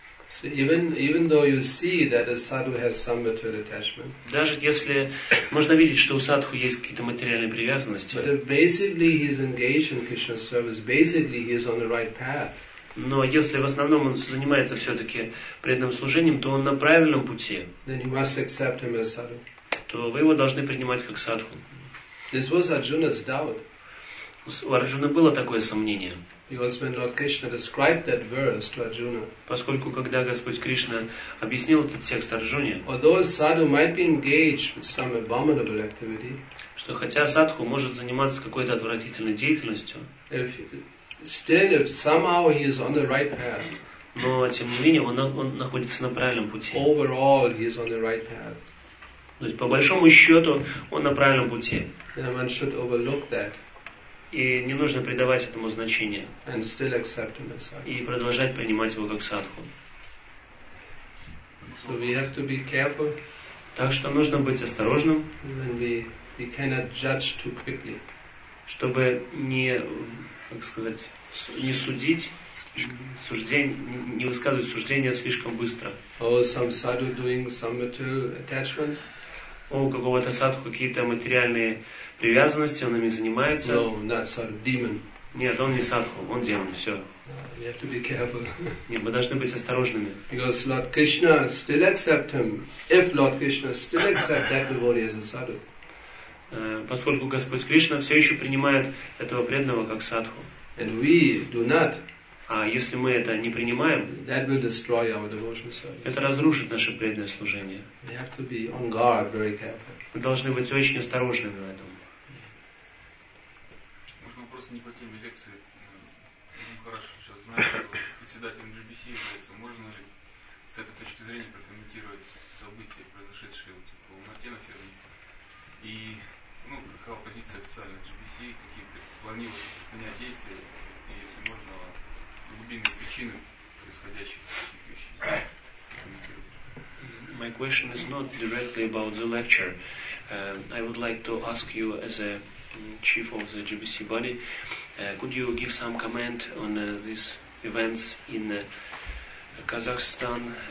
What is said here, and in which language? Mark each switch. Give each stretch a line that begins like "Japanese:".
English: So even though you see that a sadhu has some material attachment,
Russian: даже если можно видеть, что у садху есть какие-то материальные привязанности,
English: but if basically he is engaged in Krishna service, basically he is on the right path.
Russian: Но если в основном он занимается все-таки преданным служением, то он на правильном пути.
English: Then you must accept him as sadhu.
Russian: То вы его должны принимать как садху.
English: This was Arjuna's doubt.
Russian: У Арджуны было такое сомнение.
English: Because when Lord Krishna described that verse to Arjuna.
Russian: Поскольку когда Господь Кришна объяснил этот текст Арджуне.
English: Although a sadhu might be engaged with some abominable activity.
Russian: Что хотя садху может заниматься какой-то отвратительной деятельностью.
English: If somehow he is on the right path.
Russian: Но тем не менее он находится на правильном пути.
English: Overall he is on the right path.
Russian: То есть по большому счету он на правильном пути.
English: Then one should overlook that.
Russian: И не нужно придавать этому значения.
English: And still accept him as
Russian: и продолжать принимать его как садху.
English: So we have to be careful.
Russian: Так что нужно быть осторожным.
English: And we cannot judge too quickly.
Russian: Чтобы не, как сказать, не судить, суждень, не высказывать суждения слишком быстро.
English: Oh, some sadhu doing some material attachment.
Russian: У какого-то садху какие-то материальные привязанности, он ими занимается.
English: No, not sadhu, demon.
Russian: Нет, он не садху, он демон, все.
English: We have to be careful.
Russian: Нет, мы должны быть осторожными.
English: Because Lord Krishna still accept him. If Lord Krishna still accept that devotee as a sadhu.
Russian: Поскольку Господь Кришна все еще принимает этого преданного как садху.
English: And we do not.
Russian: А если мы это не принимаем,
English: that will destroy our devotional service.
Russian: Это разрушит наше преданное служение.
English: We have to be on guard, very careful.
Russian: Мы должны быть очень осторожными в этом. Можно просто не по теме лекции. Ну хорошо, сейчас знаю, председатель NGBC является. Можно ли с этой точки зрения прокомментировать события, произошедшие у Мартина Ферми? И ну, какова позиция официальной NGBC, какие планируют принять действия, и если можно, глубинные причины происходящих таких вещей.
English: My question is not directly about the lecture. I would like to ask you as a chief of the GBC body, could you give some comment on these events in Kazakhstan?